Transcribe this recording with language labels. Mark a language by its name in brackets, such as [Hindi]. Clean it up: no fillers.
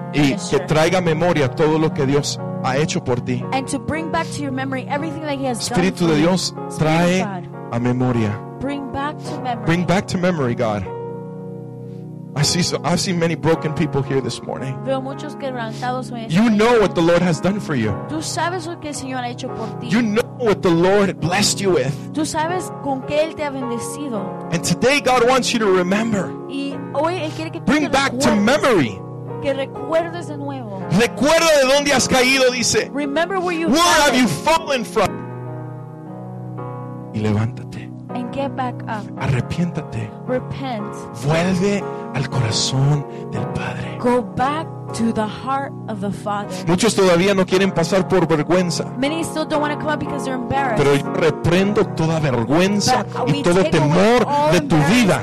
[Spanish] y que traiga memoria todo lo que Dios ha hecho por ti. [English] And to bring back to your memory everything that He has [Spanish] Espíritu [English] done [Spanish] de Dios [English] for you. [Spanish] Trae a memoria. [English] Bring back to memory. Bring back to memory, God. I see many broken people here this morning. [Spanish] Veo muchos quebrantados hoy. [English] You know what the Lord has done for you. [Spanish] Tú sabes lo que el Señor ha hecho por ti. [English] You know what the Lord blessed you with. [Spanish] Tú sabes con qué él te ha bendecido. [English] And today God wants you to remember. [Spanish] Y hoy él quiere que tú [English] bring [Spanish] te [English] back to memory. [Spanish] Que recuerdes de nuevo. Recuerda de dónde has caído, dice. [English] Remember where you where fallen. Have you fallen from? [Spanish] Y levántate. [English] And get back up. [Spanish] Arrepiéntate. [English] Repent. [Spanish] Vuelve al corazón del Padre. [English] Go back to the heart of the Father. [Spanish] Muchos todavía no quieren pasar por vergüenza. [English] Many still don't want to come up because they're embarrassed. [Spanish] Pero yo reprendo toda vergüenza y todo temor de tu vida.